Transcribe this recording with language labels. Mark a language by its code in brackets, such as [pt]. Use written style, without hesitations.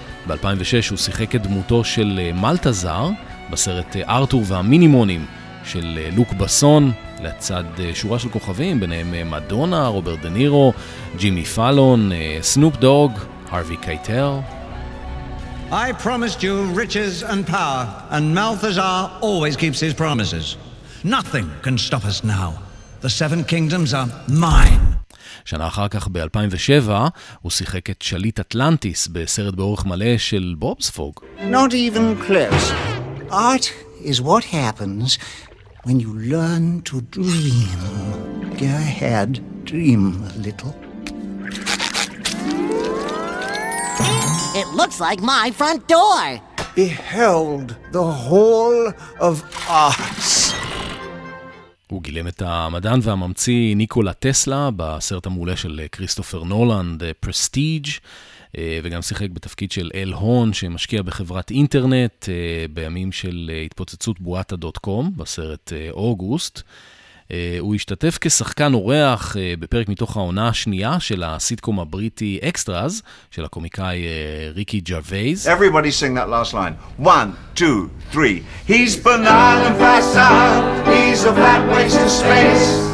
[he] ב-2006 הוא שיחק את דמותו של מלטזר בסרט ארתור והמינימונים של לוק בסון, לצד שורה של כוכבים, ביניהם מדונה, רוברט דה נירו, ג'ימי פאלון, סנופ דוג, הרווי קייטל. [en] I promised you riches and power, and Malthazar always keeps his promises. Nothing can stop us now. The seven kingdoms are mine. [he] שנה אחר כך, ב-2007, הוא שיחק את שליט אטלנטיס בסרט באורך מלא של בובס פוג. [en] Not even close. Art is what happens when you learn to dream. Go ahead, dream a little. It looks like my front door. Beheld the hall of arts. [he] הוא גילם את המדען והממציא ניקולה טסלה בסרט המעולה של כריסטופר נולן, The Prestige, וגם שיחק בתפקיד של אל הון שמשקיע בחברת אינטרנט בימים של התפוצצות בועת ה.com בסרט אוגוסט. הוא השתתף כשחקן אורח בפרק מתוך העונה השנייה של הסיטקום הבריטי אקסטרז של הקומיקאי ריקי ג'רווייז. [en] Everybody sing that last line. 1 2 3. He's banal and facile. He's a flat waste of space.